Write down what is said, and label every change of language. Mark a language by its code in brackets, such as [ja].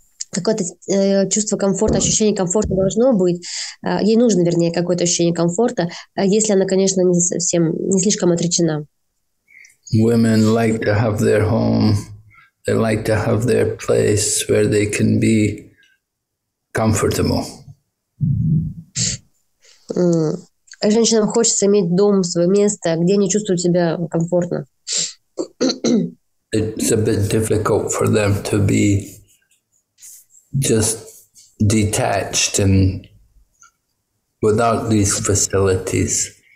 [ru] Какое-то чувство комфорта, ощущение комфорта должно быть. Ей нужно, вернее, какое-то ощущение комфорта, если она, конечно, не слишком отречена. [en] Women like to have their home. They like to have their place where they can be comfortable. [ru] Женщинам хочется иметь дом, свое место, где они чувствуют себя комфортно. [en] It's a bit difficult for them to be just detached and without these facilities.